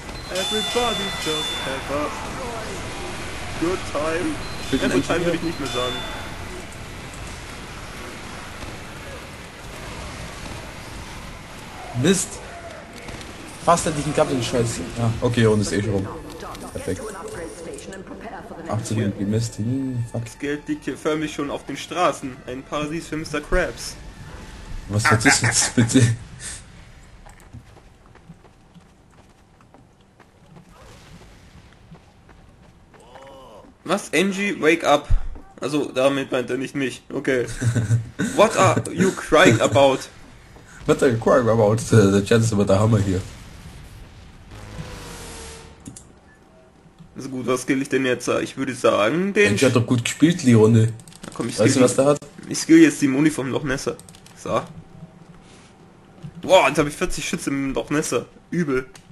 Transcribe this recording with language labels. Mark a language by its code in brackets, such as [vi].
[en] Everybody just have a good time. [de] Ja, [en] good time [de] würde ich nicht mehr sagen. Mist. Fast hätte ich einen Captain Scheiße. Ja, okay, und ist eh schon rum. Perfekt. 18 Minuten gemisst. Fuck. Das Geld liegt hier förmlich schon auf den Straßen. Ein Paradies für Mr. Krabs. Was hat das jetzt bitte? Was? [en] Angie, wake up. [de] Also, damit meint er nicht mich. Okay. [en] What are you crying about? What are you crying about? The chance of the hammer here. [de] Also gut, was skill ich denn jetzt? Ich würde sagen, den... Angie hat doch gut gespielt, die Runde. Komm, ich weißt du, was der hat? Ich skill jetzt die Muni vom Loch Nesser. So. Boah, jetzt habe ich 40 Schütze im Loch Nesser. Übel.